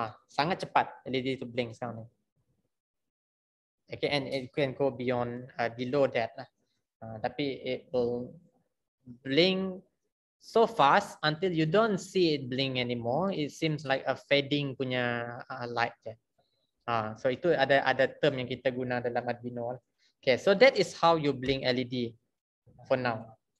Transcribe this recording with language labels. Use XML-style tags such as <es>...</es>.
<ms>Sangat cepat LED to blink sekarang ni.</ms> <en>Okay, and it can go beyond below that lah. Tapi it will blink so fast until you don't see it blink anymore. It seems like a fading</en> <ms>punya light je. So itu ada ada term yang kita guna dalam Arduino.</ms> <en>Okay, so that is how you blink LED for now.</en>